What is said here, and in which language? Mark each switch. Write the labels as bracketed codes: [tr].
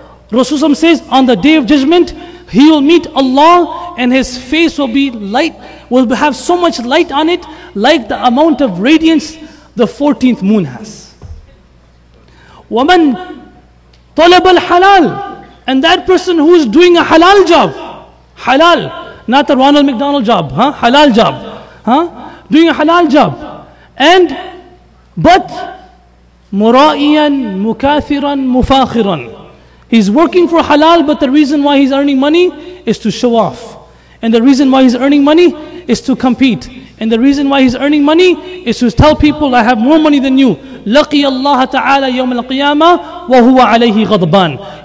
[en] Rasulullah says, on the day of judgment, he will meet Allah, and his face will be light, will have so much light on it, like the amount of radiance the 14th moon has. [ar] وَمَنْ طَلَبَ الْحَلَالِ. [en] And that person who is doing a halal job, halal, not the Ronald McDonald job, huh? Halal job, huh? Doing a halal job. And, but, [ar] مُرَائِيًا مُكَاثِرًا مُفَاخِرًا. [en] He's working for halal, but the reason why he's earning money is to show off. And the reason why he's earning money is to compete. And the reason why he's earning money is to tell people, I have more money than you. [ar] لَقِيَ اللَّهَ تَعَالَى يَوْمَ الْقِيَامَةِ وَهُوَ عَلَيْهِ غَضْبَانِ.